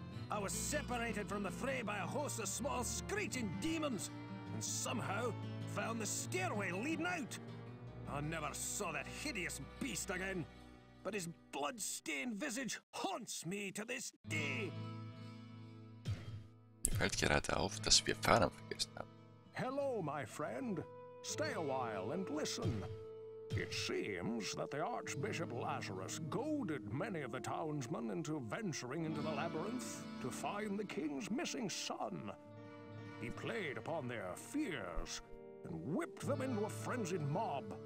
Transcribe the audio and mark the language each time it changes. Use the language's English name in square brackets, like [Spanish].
[English] I was separated from the fray by a host of small screeching demons, and somehow found the stairway leading out. I never saw that hideous beast again, but his blood-stained visage haunts me to this day. [German] Mir fällt gerade auf, dass wir Farnham vergessen haben. [English] Hello, my friend. Stay a while and listen. It seems that the Archbishop Lazarus goaded many of the townsmen into venturing into the labyrinth to find the king's missing son. He played upon their fears and whipped them into a frenzied mob.